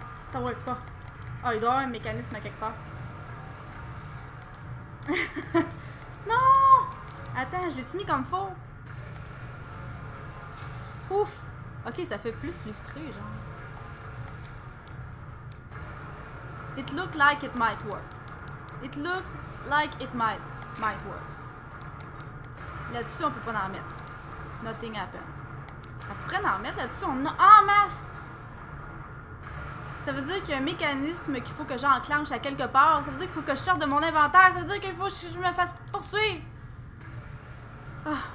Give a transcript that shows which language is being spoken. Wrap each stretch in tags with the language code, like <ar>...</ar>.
<fr>Ça work pas. Ah, il doit y avoir un mécanisme à quelque part. Non! Attends, je l'ai-tu mis comme faux? Ouf! Ok, ça fait plus lustré, genre.</fr> <en>It looks like it might work. It looks like it might work.</en> <fr>là-dessus, on peut pas en remettre.</fr> <en>Nothing happens.</en> <fr>On pourrait en remettre là-dessus, on a en masse! Ça veut dire qu'il y a un mécanisme qu'il faut que j'enclenche à quelque part. Ça veut dire qu'il faut que je sorte de mon inventaire. Ça veut dire qu'il faut que je me fasse poursuivre. Oh.</fr>